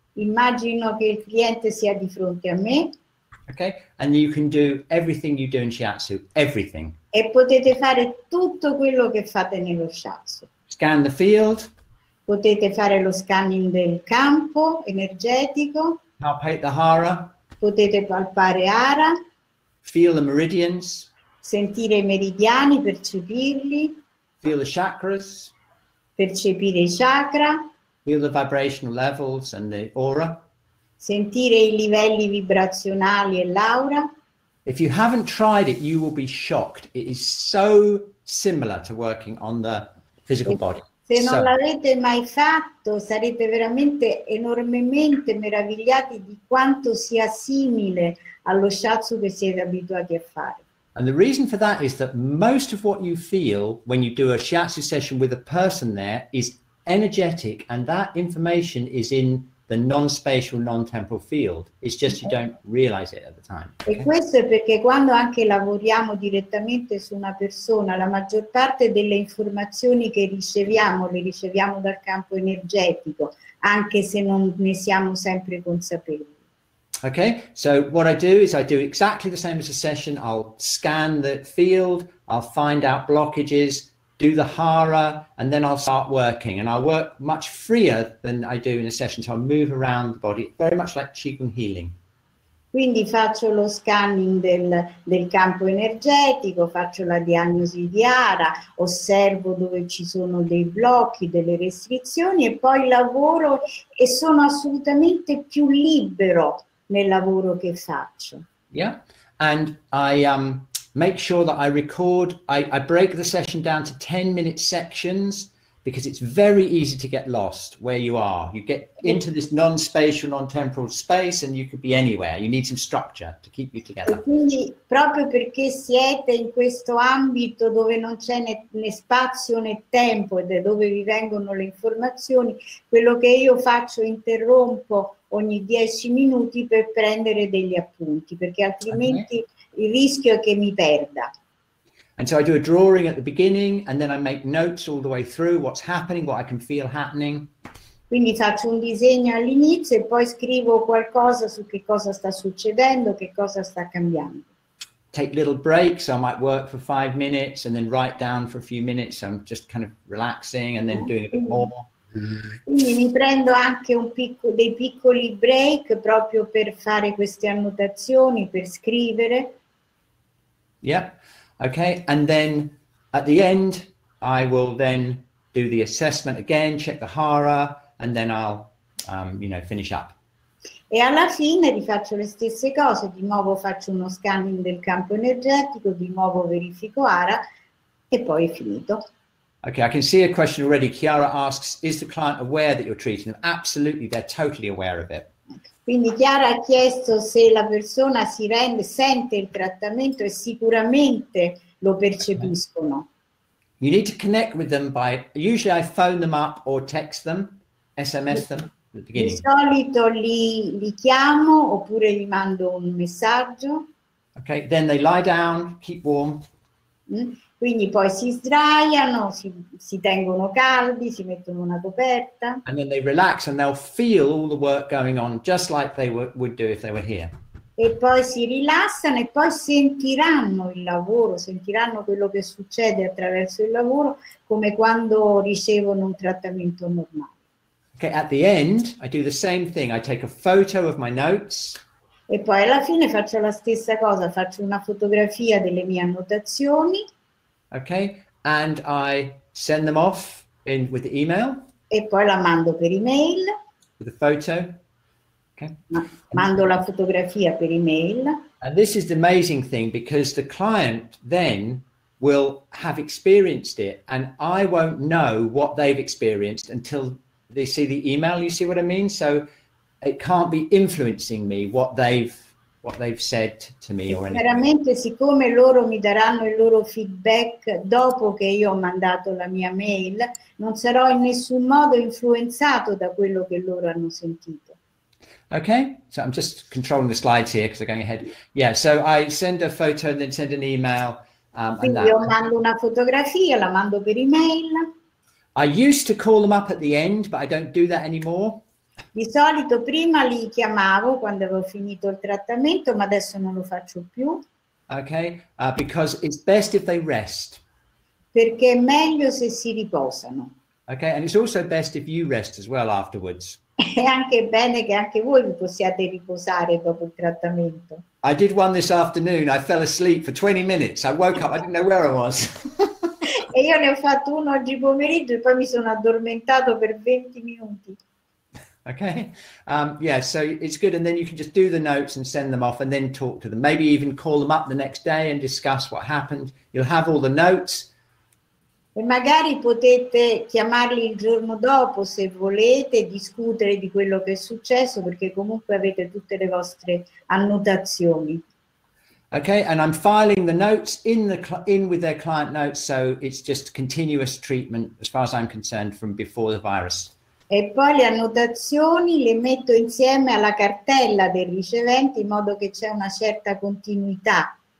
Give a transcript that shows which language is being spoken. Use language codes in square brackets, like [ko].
[it] Immagino che il cliente sia di fronte a me. [en] Okay, and you can do everything you do in Shiatsu, everything. [it] E potete fare tutto quello che fate nello Shiatsu. [en] Scan the field. [it] Potete fare lo scanning del campo energetico. [en] Palpate the hara. [it] Potete palpare hara. [en] Feel the meridians. [it] Sentire i meridiani, percepirli. [en] Feel the chakras. [it] Percepire i chakra. [en] Feel the vibrational levels and the aura. [it] Sentire i livelli vibrazionali e l'aura. [en] If you haven't tried it, you will be shocked. It is so similar to working on the physical body. [it] Se non l'avete mai fatto, sarete veramente enormemente meravigliati di quanto sia simile allo shiatsu che siete abituati a fare. [en] And the reason for that is that most of what you feel when you do a shiatsu session with a person there is energetic, and that information is in the non-spatial, non-temporal field. It's just you don't realize it at the time. [it] E questo è perché quando anche lavoriamo direttamente su una persona, la maggior parte delle informazioni che riceviamo le riceviamo dal campo energetico, anche se non ne siamo sempre consapevoli. [en] Okay, so what I do is I do exactly the same as a session. I'll scan the field, I'll find out blockages, do the hara, and then I'll start working. And I work much freer than I do in a session. So I move around the body, very much like qigong healing. [it] Quindi faccio lo scanning del campo energetico, faccio la diagnosi di ARA, osservo dove ci sono dei blocchi, delle restrizioni e poi lavoro e sono assolutamente più libero nel lavoro che faccio. [en] Yeah, and I make sure that I record, I break the session down to 10-minute sections because it's very easy to get lost where you are. You get into this non-spatial, non-temporal space and you could be anywhere. You need some structure to keep you together. [it] E quindi, proprio perché siete in questo ambito dove non c'è né spazio né tempo ed è dove vi vengono le informazioni, quello che io faccio, interrompo ogni 10 minuti per prendere degli appunti, perché altrimenti il rischio è che mi perda. [en] And so I do a drawing at the beginning and then I make notes all the way through what's happening, what I can feel happening. [it] Quindi faccio un disegno all'inizio e poi scrivo qualcosa su che cosa sta succedendo, che cosa sta cambiando. [en] Take little breaks, I might work for 5 minutes and then write down for a few minutes. I'm just kind of relaxing and then doing a bit more. [it] Quindi mi prendo anche dei piccoli break proprio per fare queste annotazioni, per scrivere. [en] Yeah. Okay, and then at the end, I will then do the assessment again, check the HARA, and then I'll, you know, finish up. [it] E alla fine rifaccio le stesse cose, di nuovo faccio uno scanning del campo energetico, di nuovo verifico HARA, e poi è finito. [en] Okay, I can see a question already. Chiara asks, is the client aware that you're treating them? Absolutely, they're totally aware of it. [it] Quindi Chiara ha chiesto se la persona si rende, sente il trattamento e sicuramente lo percepiscono. [en] You need to connect with them by, usually I phone them up or text them, SMS them at the beginning. [it] Di solito li chiamo oppure gli mando un messaggio. [en] Okay, then they lie down, keep warm. [it] Quindi poi si sdraiano, si tengono caldi, si mettono una coperta. [en] And then they relax and they'll feel all the work going on, just like they would do if they were here. [it] E poi si rilassano e poi sentiranno il lavoro, sentiranno quello che succede attraverso il lavoro, come quando ricevono un trattamento normale. [en] Okay, at the end, I do the same thing. I take a photo of my notes. [it] E poi alla fine faccio la stessa cosa, faccio una fotografia delle mie annotazioni. [en] Okay, and I send them off in with the email. [it] E poi la mando per email. [en] With a photo. Okay. [it] Mando la fotografia per email. [en] And this is the amazing thing because the client then will have experienced it and I won't know what they've experienced until they see the email, you see what I mean? So it can't be influencing me what they've said to me or anything. [it] Chiaramente, siccome loro mi daranno il loro feedback dopo che io ho mandato la mia mail, non sarò in nessun modo influenzato da quello che loro hanno sentito. [en] Okay, so I'm just controlling the slides here because I'm going ahead. Yeah, so I send a photo and then send an email. [it] Quindi io mando una fotografia, la mando per email. [en] I used to call them up at the end, but I don't do that anymore. [it] Di solito prima li chiamavo quando avevo finito il trattamento, ma adesso non lo faccio più. [en] Okay, because it's best if they rest. [it] Perché è meglio se si riposano. [en] Okay, and it's also best if you rest as well afterwards. [it] È anche bene che anche voi vi possiate riposare dopo il trattamento. [en] I did one this afternoon, I fell asleep for 20 minutes, I woke up, I didn't know where I was. [it] E io ne ho fatto uno oggi pomeriggio e poi mi sono addormentato per 20 minuti. [en] Okay, yeah, so it's good. And then you can just do the notes and send them off and then talk to them. Maybe even call them up the next day and discuss what happened. You'll have all the notes. [it] E magari potete chiamarli il giorno dopo se volete discutere di quello che è successo perché comunque avete tutte le vostre annotazioni. [en] Okay, and I'm filing the notes in with their client notes. So it's just continuous treatment as far as I'm concerned from before the virus. [it] E poi le annotazioni le metto insieme alla cartella del ricevente in modo che c'è una certa continuità.